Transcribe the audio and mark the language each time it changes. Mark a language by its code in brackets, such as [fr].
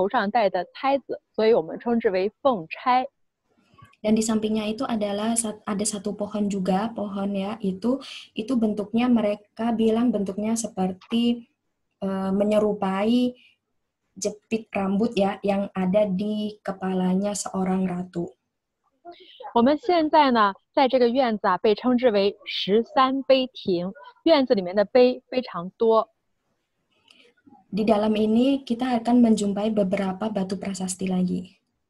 [zh] 旁边这个树呢，特别像古代女生呢头上戴的钗子，所以我们称之为凤钗。 [id] Dan di sampingnya itu adalah ada satu pohon juga, pohon ya, itu bentuknya mereka bilang bentuknya seperti menyerupai jepit rambut ya yang ada di kepalanya seorang ratu. [zh] 我们现在呢，在这个院子啊，被称之为十三碑亭，院子里面的碑非常多。 [id] Di dalam ini kita akan menjumpai beberapa batu prasasti lagi.